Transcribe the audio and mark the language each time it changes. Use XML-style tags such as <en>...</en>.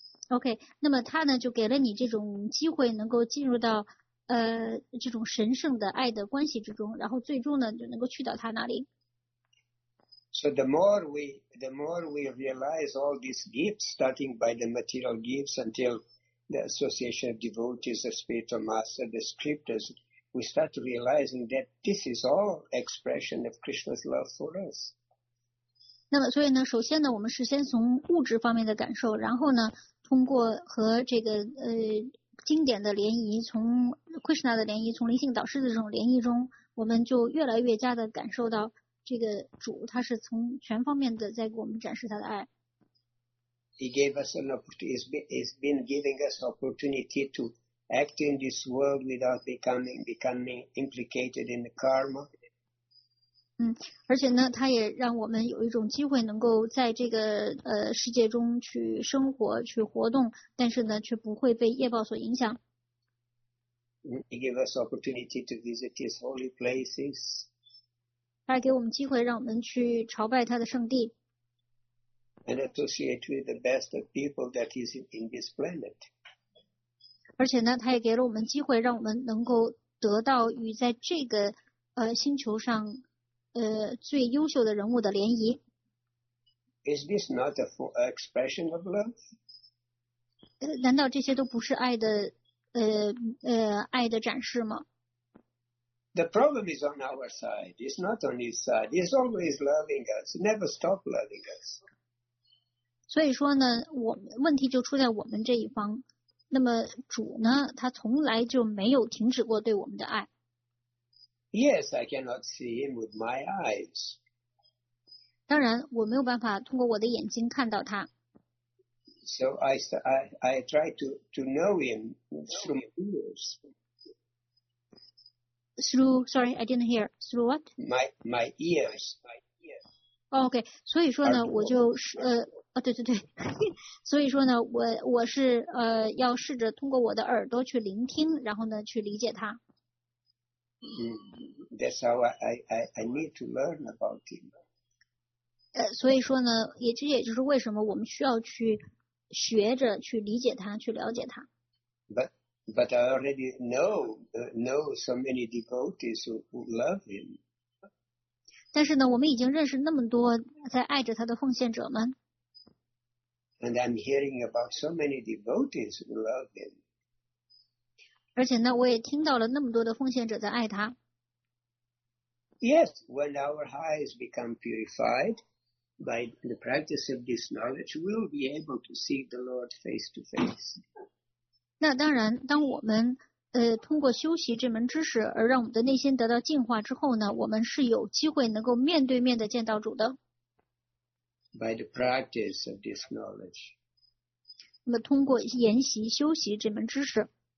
<zh>OK, 那么他呢就给了你这种机会能够进入到这种神圣的爱的关系之中然后最终呢就能够去到他那里。</zh> <en>So the more we realize all these gifts, starting by the material gifts until the association of devotees, the spiritual master, the scriptures, we start realizing that this is all expression of Krishna's love for us.</en> <zh>那么所以呢首先呢我们是先从物质方面的感受然后呢通过和这个经典的联谊从 Krishna 的联谊从灵性导师的这种联谊中我们就越来越加的感受到这个主他是从全方面的在给我们展示他的爱。</zh> <en>He gave us an opportunity, he's been giving us an opportunity to act in this world without becoming implicated in the karma.</en> <zh>而且呢它也让我们有一种机会能够在这个世界中去生活去活动，但是呢却不会被业报所影响。</zh> <en>He gave us opportunity to visit his holy places.</en> <zh>他给我们机会让我们去朝拜他的圣地。</zh> <en>And associate with the best of people that is in this planet.</en> <zh>而且呢他也给了我们机会让我们能够得到与在这个星球上最优秀的人物的联谊。</zh> <en>Is this not a full expression of love?</en> <zh>难道这些都不是爱的爱的展示吗？</zh> <en>The problem is on our side. It's not on his side. He's always loving us. Never stop loving us.</en> <zh>所以说呢，我问题就出在我们这一方。那么主呢，他从来就没有停止过对我们的爱。</zh> <en>Yes, I cannot see him with my eyes.</en> <zh>当然，我没有办法通过我的眼睛看到他。</zh> <en>So I try to know him through my ears. Through what? My ears.</en> <zh>Okay, 所以说呢，我就对对对，所以说呢，我是要试着通过我的耳朵去聆听，然后呢去理解他。</zh> <en>That's how I need to learn about him.</en> <zh>所以说呢，也就是为什么我们需要去学着去理解他，去了解他。</zh> <en>But I already know so many devotees who love him.</en> <zh>但是呢，我们已经认识那么多在爱着他的奉献者们。</zh> <en>And I'm hearing about so many devotees who love him.</en> <zh>而且呢，我也听到了那么多的奉献者在爱他。</zh> <en>Yes, when our eyes become purified. By the practice of this knowledge, we'll be able to see the Lord face to face.</en> <zh>那当然，当我们通过修习这门知识而让我们的内心得到净化之后呢，我们是有机会能够面对面的见到主的。</zh> <en>By the practice of this knowledge.</en> <zh>那么通过研习修习这门知识。</zh>